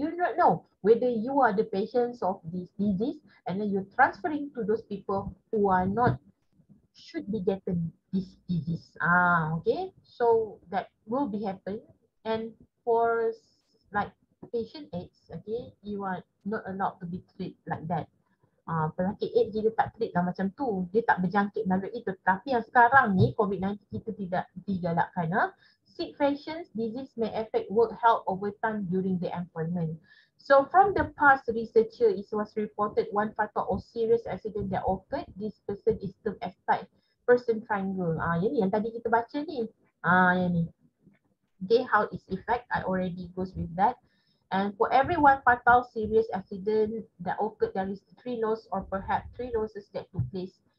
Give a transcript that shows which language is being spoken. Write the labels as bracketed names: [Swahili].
[English] You don't know whether you are the patients of this disease, and then you're transferring to those people who are not should be getting this disease. Okay, so that will be happening. And for like patient AIDS, okay, you are not allowed to be treat like that. [Malay] Penyakit AIDS dia tak treat lah macam tu. Dia tak berjangkit melalui itu. Tapi yang sekarang ni, COVID-19 kita tidak digalakkan. [English] Sick patients, disease may affect work health over time during the employment. So from the past research, it was reported one fatal or serious accident that occurred. This person is termed as type person triangle. [Malay] Ini yang tadi kita baca ni. [English] Okay, how its effect, I already goes with that. And for every one fatal serious accident that occurred, there is three loss or perhaps three losses that took place.